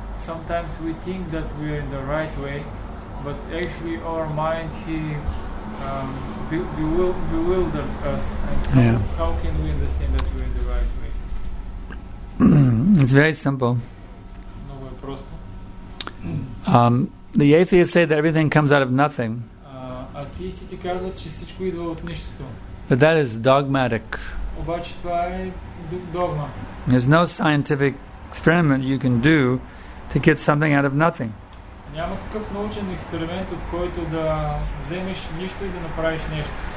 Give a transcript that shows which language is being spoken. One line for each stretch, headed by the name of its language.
English: Sometimes we think that we are in the right way, but actually our mind, he bewildered us. How can we understand that we are in the right way? It's very simple. The atheists say that everything comes out of nothing.
Bulgarian: Атеистите казват, че всичко идва от нищото.
English: But that is dogmatic.
Bulgarian: Обаче това е догма.
English: There's no scientific experiment you can do to get something out of nothing.
Bulgarian: Няма такъв научен експеримент, от който да вземеш нищо и да направиш нещо.